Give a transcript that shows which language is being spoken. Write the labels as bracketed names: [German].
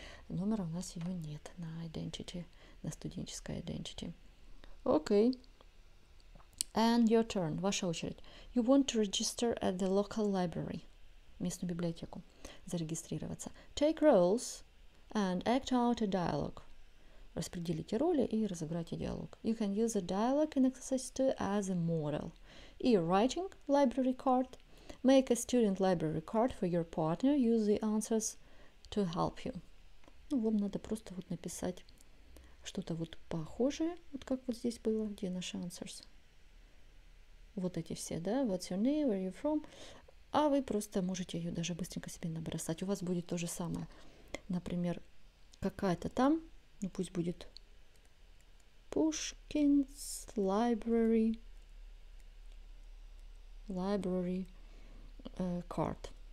[Russian] Номера у нас ее нет на identity, на студенческой identity. Окей. [English] And your turn, [Russian] ваша очередь. [English] You want to register at the local library, [Russian] местную библиотеку, зарегистрироваться. [English] Take roles and act out a dialogue. [Russian] Распределите роли и разыграйте диалог. [English] You can use a dialogue in exercise 2 as a model. И writing library card. Make a student library card for your partner. Use the answers to help you. [Russian] Ну, вам надо просто вот написать что-то вот похожее, вот как вот здесь было, где наши answers. Вот эти все, да, [English] what's your name, where are you from, [Russian] а вы просто можете ее даже быстренько себе набросать, у вас будет то же самое, например, какая-то там, ну пусть будет Пушкинс Library Card.